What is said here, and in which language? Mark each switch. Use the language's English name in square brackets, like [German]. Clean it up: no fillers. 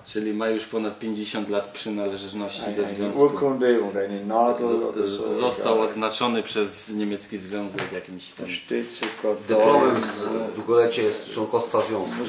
[Polish] Czyli ma już ponad 50 lat przynależności do związku. [German] Urkunde oder eine Nadel oder so. [Polish] Został oznaczony przez niemiecki związek jakimś tam. Dyplomem z długolecie jest członkostwa związku.